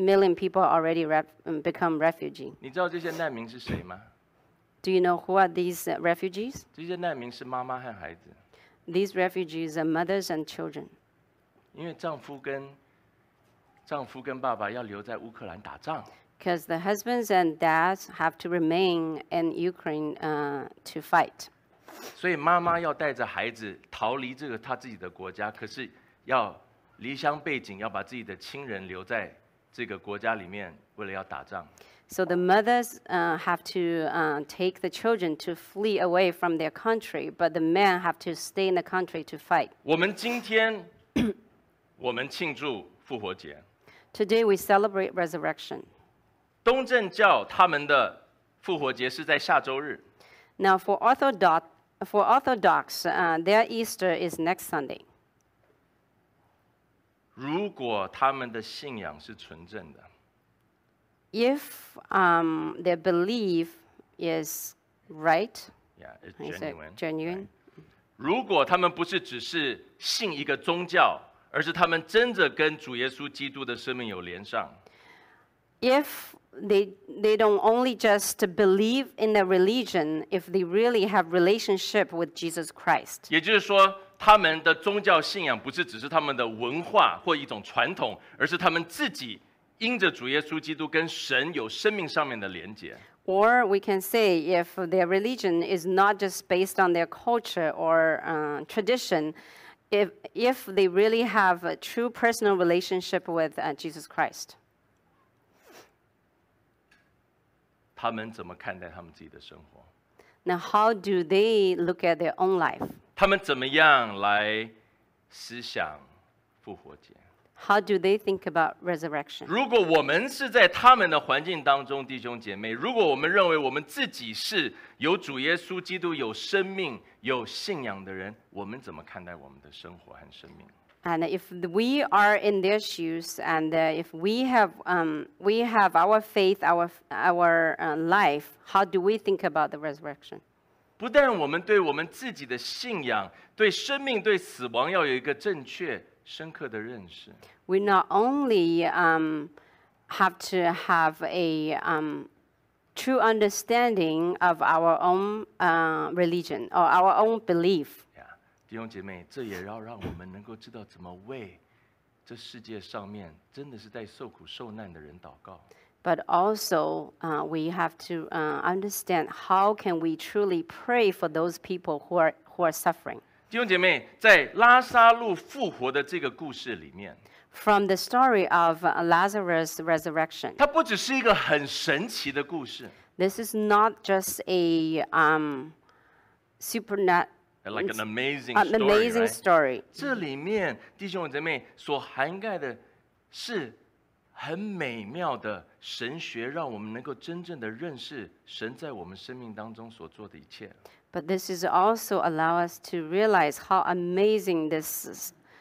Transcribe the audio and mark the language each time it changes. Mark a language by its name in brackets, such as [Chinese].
[English] million people already become refugee. [Chinese] 你知道这些难民是谁吗 [English] ？Do you know who are these refugees? [Chinese] 这些难民是妈妈和孩子。 [English] These refugees are mothers and children. [Chinese] 因为丈夫跟爸爸要留在乌克兰打仗。 [English] Because the husbands and dads have to remain in Ukraine to fight. [Chinese] 所以妈妈要带着孩子逃离这个她自己的国家，可是要离乡背井，要把自己的亲人留在这个国家里面，为了要打仗。 [English] So the mothers have to take the children to flee away from their country, but the men have to stay in the country to fight. [Chinese] 我们今天，我们庆祝复活节。 [English] Today we celebrate resurrection. [Chinese] 东正教他们的复活节是在下周日。 [English] Now for Orthodox, their Easter is next Sunday. [Chinese] 如果他们的信仰是纯正的, [English] If their belief is right, genuine. Right. [Chinese] 如果他们不是只是信一个宗教，而是他们真的跟主耶稣基督的生命有连上。 [English] If they don't only just believe in their religion, if they really have relationship with Jesus Christ. [Chinese] 也就是说，他们的宗教信仰不是只是他们的文化或一种传统，而是他们自己因着主耶稣基督跟神有生命上面的连结。 [English] Or we can say if their religion is not just based on their culture or tradition, if they really have a true personal relationship with Jesus Christ. [Chinese] 他们怎么看待他们自己的生活？ [English] Now how do they look at their own life? [Chinese] 他们怎么样来思想复活节？ [English] How do they think about resurrection? [Chinese] 如果我们是在他们的环境当中，弟兄姐妹，如果我们认为我们自己是有主耶稣基督、有生命、有信仰的人，我们怎么看待我们的生活和生命？ [English] And if we are in their shoes, and if we have our faith, our life, how do we think about the resurrection? [Chinese] 不但我们对我们自己的信仰、对生命、对死亡要有一个正确深刻的认识。 [English] We not only have to have a true understanding of our own religion or our own belief. Yeah, [Chinese] 弟兄姐妹，这也要让我们能够知道怎么为这世界上面真的是在受苦受难的人祷告。 [English] But also, we have to understand how can we truly pray for those people who are suffering. [Chinese] 弟兄姐妹，在拉撒路复活的这个故事里面 [English] ，From the story of Lazarus' resurrection， [Chinese] 它不只是一个很神奇的故事。 [English] This is not just a supernatural, like an amazing story. Amazing story.、 Right? [Chinese] 这里面弟兄姐妹所涵盖的是很美妙的神学，让我们能够真正的认识神在我们生命当中所做的一切。 [English] But this is also allow us to realize how amazing this is.